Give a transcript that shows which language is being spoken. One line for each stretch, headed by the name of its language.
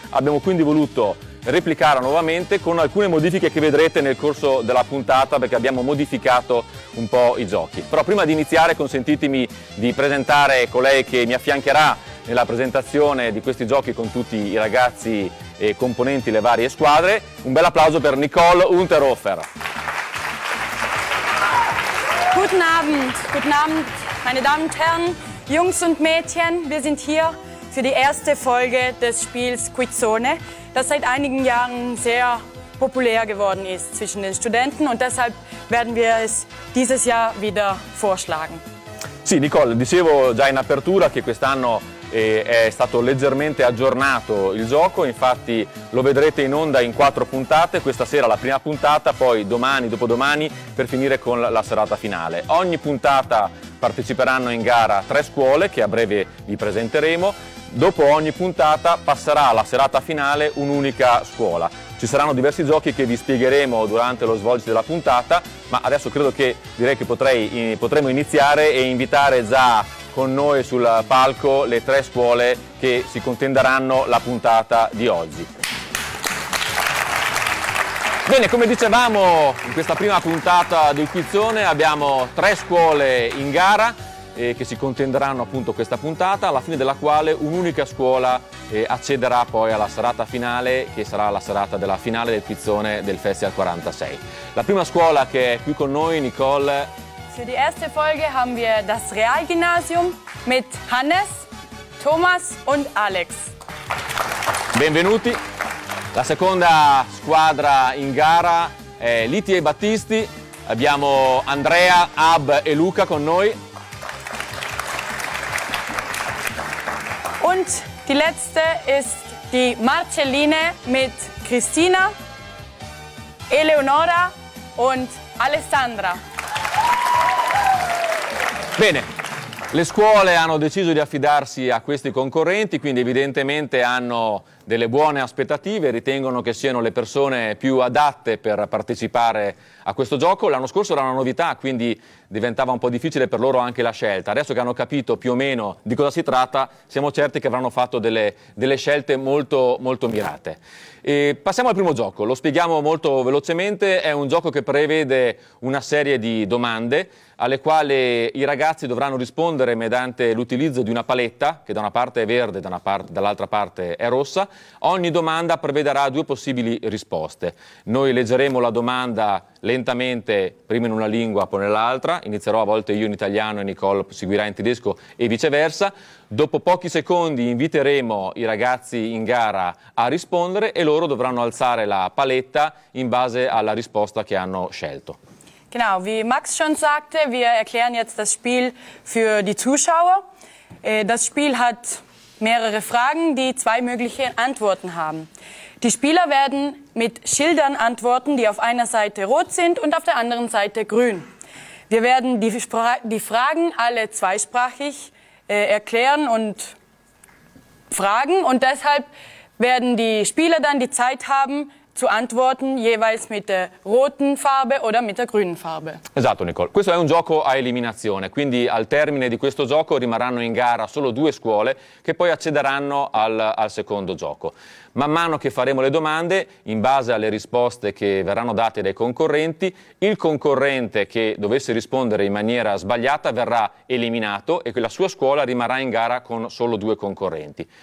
Italian: Abbiamo quindi voluto replicarla nuovamente con alcune modifiche che vedrete nel corso della puntata, perché abbiamo modificato un po' i giochi. Però prima di iniziare consentitemi di presentare colei che mi affiancherà nella presentazione di questi giochi con tutti i ragazzi e componenti le varie squadre. Un bel applauso per Nicole Unterhofer.
German: Guten Abend, guten Abend, meine Damen und Herren, Jungs und Mädchen, wir sind hier für die erste Folge des Spiels Quizzone, das seit einigen Jahren sehr populär geworden ist zwischen den Studenten, und deshalb werden wir es dieses Jahr wieder vorschlagen.
Italian: Sì, Nicole, dicevo già in apertura che quest'anno è stato leggermente aggiornato il gioco, infatti lo vedrete in onda in 4 puntate, questa sera la prima puntata, poi domani, dopodomani, per finire con la serata finale. Ogni puntata parteciperanno in gara 3 scuole che a breve vi presenteremo. Dopo ogni puntata passerà alla serata finale un'unica scuola. Ci saranno diversi giochi che vi spiegheremo durante lo svolgimento della puntata, ma adesso potremmo iniziare e invitare già con noi sul palco le 3 scuole che si contenderanno la puntata di oggi. Bene, come dicevamo, in questa prima puntata del quizzone abbiamo 3 scuole in gara che si contenderanno appunto questa puntata, alla fine della quale un'unica scuola accederà poi alla serata finale, che sarà la serata della finale del quizzone del Festival 46. La prima scuola che è qui con noi, Nicole.
German: Für die erste Folge haben wir das Realgymnasium mit Hannes, Thomas und Alex.
Italian: Benvenuti. La seconda squadra in gara è Liti e Battisti. Abbiamo Andrea, Ab e Luca con noi.
German: Und die letzte ist die Marcelline mit Christina, Eleonora und Alessandra.
Italian: Bene, le scuole hanno deciso di affidarsi a questi concorrenti, quindi evidentemente hanno delle buone aspettative, ritengono che siano le persone più adatte per partecipare a questo gioco. L'anno scorso era una novità, quindi diventava un po' difficile per loro anche la scelta. Adesso che hanno capito più o meno di cosa si tratta, siamo certi che avranno fatto delle scelte molto, molto mirate. E passiamo al primo gioco, lo spieghiamo molto velocemente. È un gioco che prevede una serie di domande alle quali i ragazzi dovranno rispondere mediante l'utilizzo di una paletta che da una parte è verde e dall'altra parte è rossa. Ogni domanda prevederà 2 possibili risposte. Noi leggeremo la domanda lentamente, prima in una lingua, poi nell'altra. Inizierò a volte io in italiano e Nicole seguirà in tedesco e viceversa. Dopo pochi secondi inviteremo i ragazzi in gara a rispondere e loro dovranno alzare la paletta in base alla risposta che hanno scelto.
German: Genau, wie Max schon sagte, wir erklären jetzt das Spiel für die Zuschauer. Das Spiel hat mehrere Fragen, die 2 mögliche Antworten haben. Die Spieler werden mit Schildern antworten, die auf einer Seite rot sind und auf der anderen Seite grün. Wir werden die Fragen alle zweisprachig erklären und fragen, und deshalb werden die Spieler dann die Zeit haben zu antworten, jeweils mit der roten Farbe oder mit der grünen Farbe.
Italian: Esatto, Nicole. Questo è un gioco a eliminazione, quindi al termine di questo gioco rimarranno in gara solo 2 scuole che poi accederanno al secondo gioco. Man mano che faremo le domande, in base alle risposte che verranno date dai concorrenti, il concorrente che dovesse rispondere in maniera sbagliata verrà eliminato e la sua scuola rimarrà in gara con solo 2 concorrenti.